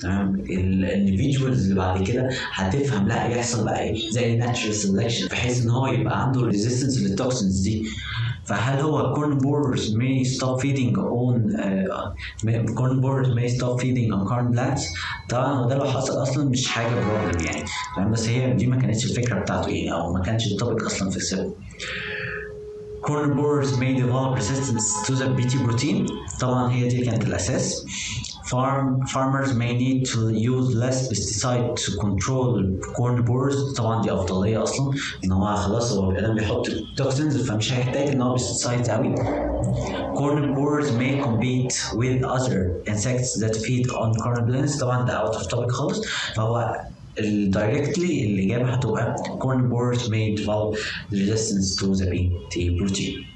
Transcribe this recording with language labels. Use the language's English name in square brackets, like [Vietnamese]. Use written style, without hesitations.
[Arabic] تمام، الانفيدجوالز اللي بعد كده هتفهم لا يحصل بقى ايه زي ناتشرال سيلكشن، بحيث ان هو يبقى عنده ريزيستنس للتوكسينز دي. فهل هو كورنبورز [English] may stop feeding on corn borers may stop feeding on corn plants؟ [Arabic] طبعا وده لو حصل اصلا مش حاجه بروبلم يعني، بس هي دي ما كانتش الفكره بتاعته ايه، او ما كانتش الطبق اصلا في السبب. [English] corn borers may develop resistance to the BT protein، [Arabic] طبعا هي دي كانت الاساس. [English] Farmers may need to use less pesticide to control corn borers، [Arabic] طبعا دي افضلية اصلا ان هو خلاص هو بيقدم بيحط [English] toxins فمش هيحتاج ان هو pesticides اوي. Corn borers may compete with other insects that feed on corn plants، [Arabic] طبعا ده [English] out of topic خالص، فهو directly [Arabic] اللي جاب هتبقى [English] corn borers may develop resistance to the BT protein.